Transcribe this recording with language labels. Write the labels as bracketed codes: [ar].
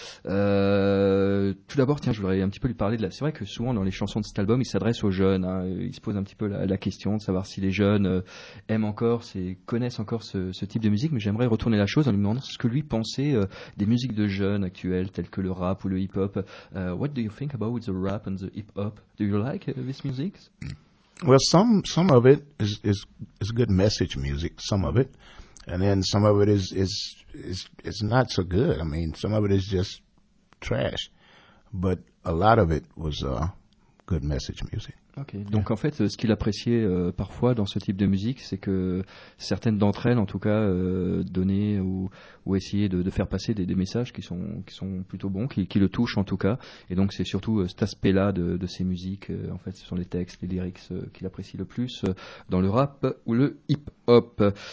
[fr] Tout d'abord, tiens, je voudrais un petit peu lui parler de la... C'est vrai que souvent dans les chansons de cet album, il s'adresse aux jeunes, hein, il se pose un petit peu la question de savoir si les jeunes aiment encore, connaissent encore ce type de musique, mais j'aimerais retourner la chose en lui demandant ce que lui pensait des musiques de jeunes actuelles, telles que le rap ou le hip-hop. [en] What do you think about the rap and the hip-hop? Do you like this music? Well, some of it is good message music, some of it. And then some of it is not so good. I mean, some of it is just trash. But a lot of it was good message music. [fr] Ok, donc yeah. En fait, ce qu'il appréciait parfois dans ce type de musique, c'est que certaines d'entre elles, en tout cas, donnaient ou essayaient de faire passer des messages qui sont plutôt bons, qui le touchent en tout cas. Et donc, c'est surtout cet aspect-là de ces musiques, en fait, ce sont les textes, les lyrics qu'il apprécie le plus dans le rap ou le hip-hop.